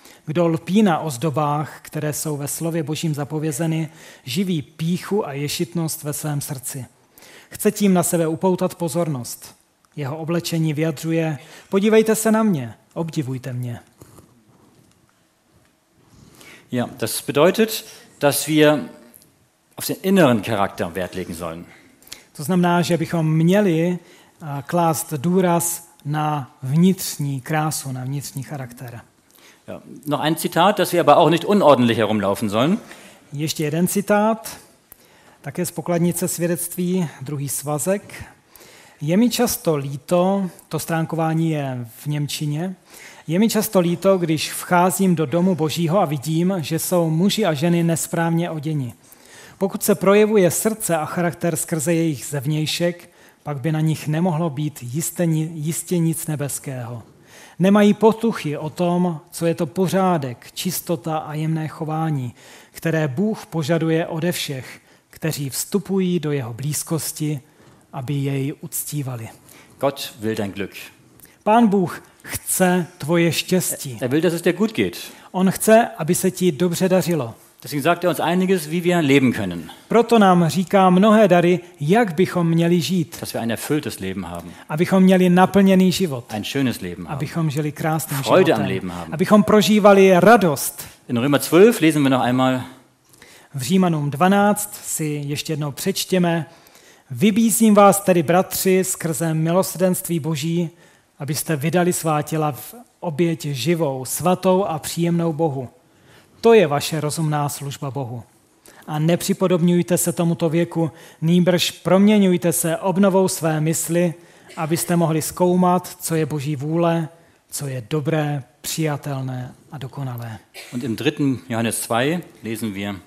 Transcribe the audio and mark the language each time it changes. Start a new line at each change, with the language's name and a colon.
Czech: Kdo lpí na ozdobách, které jsou ve slově Božím zapovězeny, živí pýchu a ješitnost ve svém srdci. Chce tím na sebe upoutat pozornost. Jeho oblečení vyjadřuje, podívejte se na mě, obdivujte mě.
German: Ja, das bedeutet, dass wir auf den inneren Charakter Wert legen sollen.
Czech: To znamená, že bychom měli klást důraz na vnitřní krásu, na vnitřní charakter.
German: Ja, noch ein Zitat, dass wir aber auch nicht unordentlich herumlaufen sollen.
Czech: Ještě jeden citát, také z pokladnice svědectví, druhý svazek. Je mi často líto, to stránkování je v němčině, je mi často líto, když vcházím do domu Božího a vidím, že jsou muži a ženy nesprávně oděni. Pokud se projevuje srdce a charakter skrze jejich zevnějšek, pak by na nich nemohlo být jistě nic nebeského. Nemají potuchy o tom, co je to pořádek, čistota a jemné chování, které Bůh požaduje ode všech, kteří vstupují do jeho blízkosti, aby jej uctívali.
German: Gott will dein Glück.
Czech: Pán Bůh chce tvoje štěstí.
German: Er will, dass es dir gut geht.
Czech: On chce, aby se ti dobře dařilo.
German: Deswegen sagt uns einiges, wie wir leben können.
Czech: Proto nám říká mnohé dary, jak bychom měli žít.
German: Dass wir ein erfülltes Leben haben.
Czech: Abychom měli naplněný život.
German: Ein schönes Leben haben.
Czech: Abychom žili krásným životem.
German: Freude am Leben haben.
Czech: Abychom prožívali radost.
German: In Römer 12 lesen wir noch einmal.
Czech: V Římanům 12 si ještě jednou přečtěme. Vybízím vás tedy, bratři, skrze milosrdenství Boží, abyste vydali svá těla v oběť živou, svatou a příjemnou Bohu. To je vaše rozumná služba Bohu. A nepřipodobňujte se tomuto věku, nýbrž proměňujte se obnovou své mysli, abyste mohli zkoumat, co je Boží vůle, co je dobré, přijatelné a dokonalé.
German: Und im dritten Johannes 2 lesen wir.